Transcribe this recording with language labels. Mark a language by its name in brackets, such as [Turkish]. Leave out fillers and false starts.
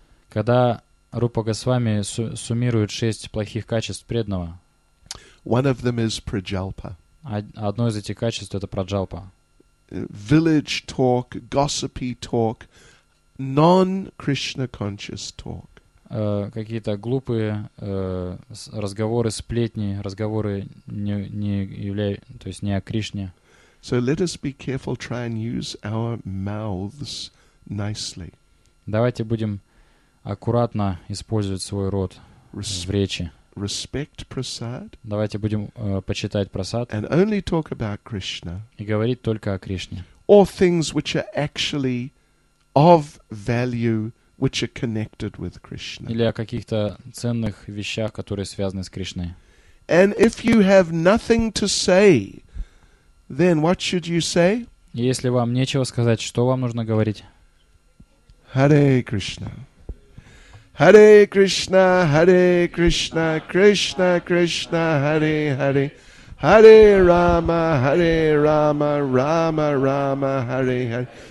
[Russian] Когда Рупа Госвами суммирует шесть плохих качеств преданного. [English] One of them is prajalpa. [Russian] Одно из этих качеств — это праджалпа. [English] Village talk, gossipy talk, non-Krishna conscious talk. [Russian] Какие-то глупые разговоры, сплетни, разговоры то есть не о Кришне. [English] So let us be careful, try and use our mouths nicely. [Russian] Давайте будем аккуратно использовать свой рот в речи. [English] Respect prasad. [Russian] Давайте будем почитать прасад. [English] And only talk about Krishna. [Russian] И говорить только о Кришне. [English] Or things which are actually of value, which are connected with Krishna. [Russian] Или о каких-то ценных вещах, которые связаны с Кришной. [English] And if you have nothing to say, then what should you say? [Russian] Если вам нечего сказать, что вам нужно говорить? [Sanskrit] Hare Krishna. Hare Krishna, Hare Krishna, Krishna Krishna, Hare Hare. Hare Rama, Hare Rama, Rama Rama, Hare Hare.